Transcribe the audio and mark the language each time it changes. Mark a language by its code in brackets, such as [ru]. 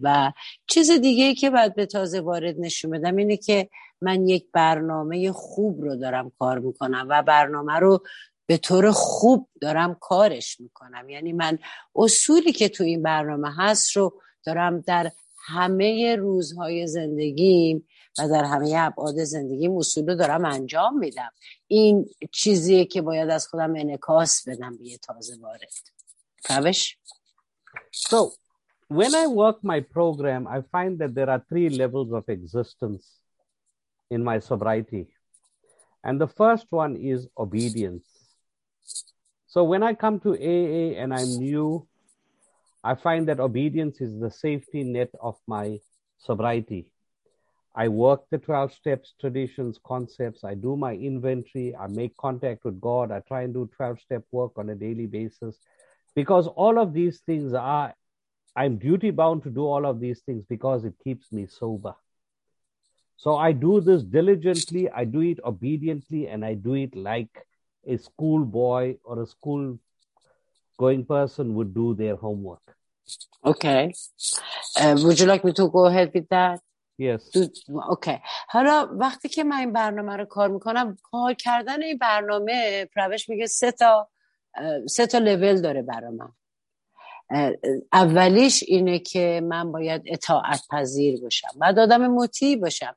[fa] و چیز دیگه‌ای که باید به تازه وارد نشون بدم اینه که من یک برنامه خوب رو دارم کار میکنم و برنامه رو به طور خوب دارم کارش میکنم، یعنی من اصولی که تو این برنامه هست رو دارم در همه روزهای زندگیم و در همه ابعاد زندگیم اصول رو دارم انجام میدم. این چیزیه که باید از خودم انعکاس بدم به یه تازه وارد. فهمش؟ [en] So, when I work my program, I find that there are three levels of existence in my sobriety. And the first one is obedience. So, when I come to AA and I'm new, I find that obedience is the safety net of my sobriety. I work the 12 steps, traditions, concepts. I do my inventory. I make contact with God. I try and do 12-step work on a daily basis. Because all of these things are, I'm duty bound to do all of these things because it keeps me sober. So I do this diligently. I do it obediently. And I do it like a schoolboy or a school going person would do their homework. Okay. Would you like me to go ahead with that? Yes. Okay. [fa] حالا وقتی که من این برنامه رو کار میکنم، کار کردن این برنامه پروش میگه سه تا لول داره برای من. اولیش اینه که من باید اطاعت پذیر باشم، بعد آدم مطیع باشم.